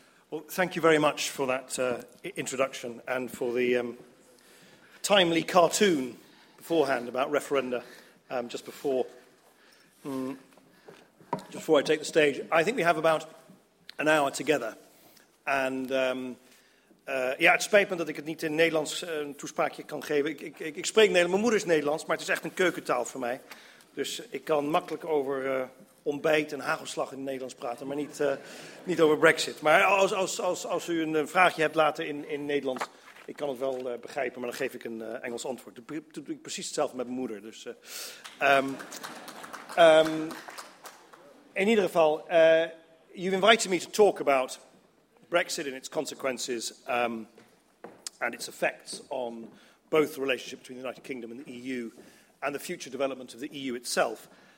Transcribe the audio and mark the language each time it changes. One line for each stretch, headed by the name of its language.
English: Well, thank you very much for that introduction and for the timely cartoon beforehand about referenda just before I take the stage. I think we have about an hour together, and
Dutch: het spijt me dat ik het niet in Nederlands een toespraakje kan geven. Ik spreek Nederlands, mijn moeder is Nederlands, maar het is echt een keukentaal voor mij, dus ik kan makkelijk over ontbijt en hagelslag in het Nederlands praten, maar niet over Brexit. Maar als u een vraagje hebt later in Nederlands, ik kan het wel begrijpen, maar dan geef ik een Engels antwoord. Dat doe ik precies hetzelfde met mijn moeder. Dus, in ieder geval,
English: you've invited me to talk about Brexit and its consequences and its effects on both the relationship between the United Kingdom and the EU and the future development of the EU itself.